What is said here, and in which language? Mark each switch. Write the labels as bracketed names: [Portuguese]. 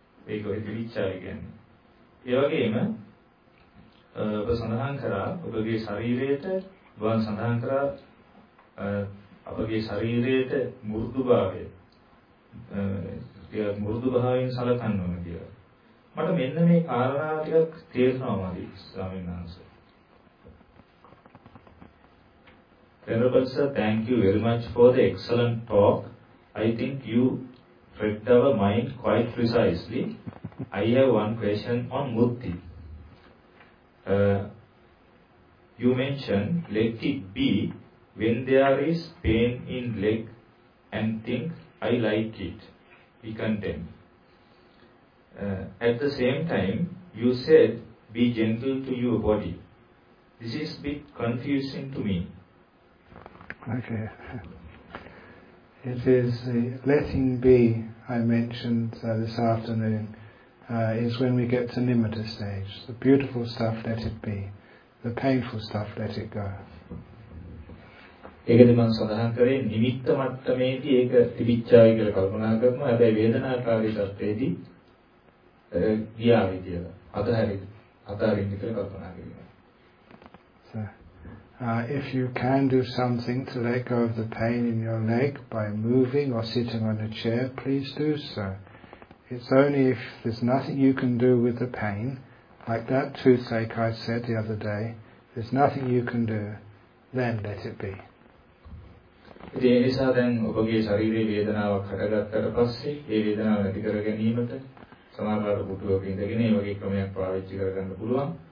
[Sinhala] ඒක ඔහි පිළිච්චා කියන්නේ. ඒ වගේම ඔබ සඳහන් කරා ඔබගේ ශරීරයට, ඔබන් සඳහන් කරා අපගේ ශරීරයට මෘදුභාවය කියලා, මෘදුභාවයෙන් සලකන්න ඕන කියලා. මට මෙන්න මේ කාරණා ටික තේරෙනවා මදි ස්වාමීන් වහන්සේ. [English] Venerable sir, thank you very much for the excellent talk. I think you read our mind quite precisely. I have one question on mutti. You mentioned let it be when there is pain in leg and think I like it, be content. At the same time, you said be gentle to your body. This is a bit confusing to me. Okay. It is the letting be I mentioned this afternoon is when we get to nimitta stage. The beautiful stuff, let it be. The painful stuff, let it go. [Sinhala] ඒකද මම සඳහන් කරේ නිමිත්ත මට්ටමේදී ඒක තිබිච්චායි කියලා කල්පනා කරනවා. හැබැයි වේදනාකාරී තත්ත්වයේදී ගියා විදියට අතහැරින්න කියලා කල්පනා කරනවා. [English] If you can do something to let go of the pain in your leg by moving or sitting on a chair, please do so. It's only if there's nothing you can do with the pain, like that toothache I said the other day, there's nothing you can do, then let it be. [Sinhala] ඒ නිසා දැන් ඔබගේ ශරීරයේ වේදනාවක් හටගත්තට පස්සේ ඒ වේදනාව නැති කර ගැනීමට සමාජාලාට පුටුවක ඉඳගෙන ඒ වගේ ක්‍රමයක් පාවිච්චි කරගන්න පුළුවන්.